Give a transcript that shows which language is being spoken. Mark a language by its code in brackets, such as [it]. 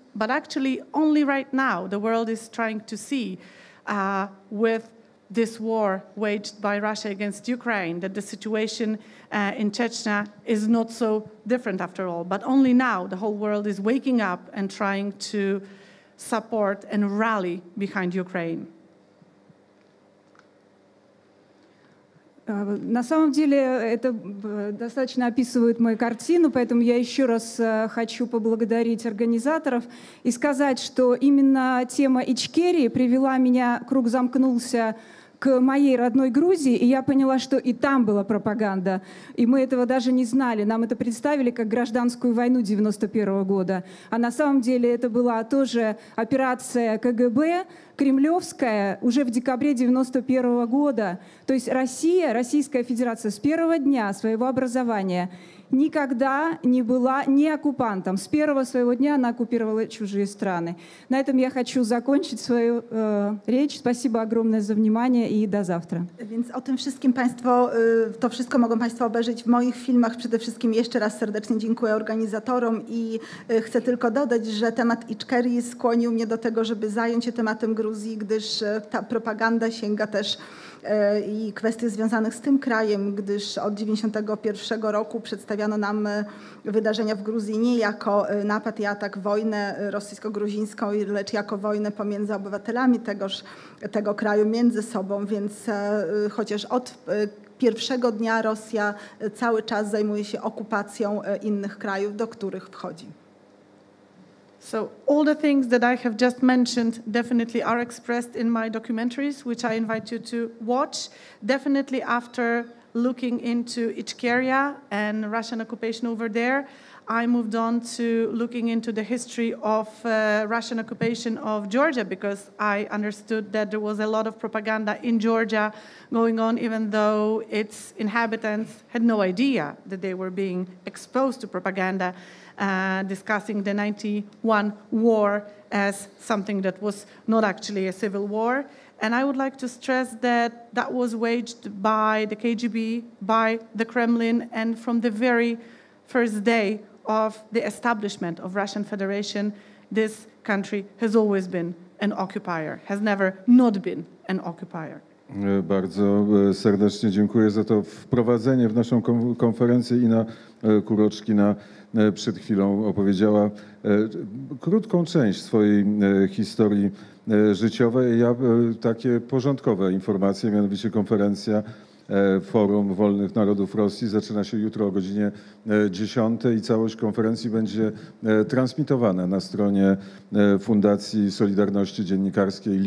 [en] But actually, only right now, the world is trying to see with this war waged by Russia against Ukraine that the situation in Chechnya is not so different after all. But only now, the whole world is waking up and trying to support and rally behind Ukraine. [ru] На самом деле, это достаточно описывает мою картину, поэтому я еще раз хочу поблагодарить организаторов и сказать, что именно тема Ичкерии привела меня, круг замкнулся, к моей родной Грузии, и я поняла, что и там была пропаганда. И мы этого даже не знали. Нам это представили как гражданскую войну 91 года. А на самом деле это была тоже операция КГБ, кремлевская, уже в декабре 91 года. То есть Россия, Российская Федерация с первого дня своего образования никогда не была не оккупантом. С первого своего дня она оккупировала чужие страны. На этом я хочу закончить свою речь. Спасибо огромное за внимание и до завтра. [pl] Więc o tym wszystkim państwo, to wszystko mogą państwo obejrzeć w moich filmach. Przede wszystkim jeszcze raz serdecznie dziękuję organizatorom i chcę tylko dodać, że temat Ichkerii skłonił mnie do tego, żeby zająć się tematem Gruzji, gdyż ta propaganda sięga też i kwestie związanych z tym krajem, gdyż od 91 roku przedstawiano nam wydarzenia w Gruzji nie jako napad i atak, wojnę rosyjsko-gruzińską, lecz jako wojnę pomiędzy obywatelami tego kraju między sobą, więc chociaż od pierwszego dnia Rosja cały czas zajmuje się okupacją innych krajów, do których wchodzi. [en] So all the things that I have just mentioned definitely are expressed in my documentaries, which I invite you to watch. Definitely after looking into Ichkeria and Russian occupation over there, I moved on to looking into the history of Russian occupation of Georgia, because I understood that there was a lot of propaganda in Georgia going on, even though its inhabitants had no idea that they were being exposed to propaganda, discussing the 91 war as something that was not actually a civil war. And I would like to stress that that was waged by the KGB, by the Kremlin, and from the very first day of the establishment of Russian Federation, this country has always been an occupier, has never not been an occupier. [pl] Bardzo serdecznie dziękuję za to wprowadzenie w naszą konferencję. Ina Kuroczkina przed chwilą opowiedziała krótką część swojej historii życiowej. Ja takie porządkowe informacje, mianowicie konferencja Forum Wolnych Narodów Rosji zaczyna się jutro o godzinie 10 i całość konferencji będzie transmitowana na stronie Fundacji Solidarności Dziennikarskiej.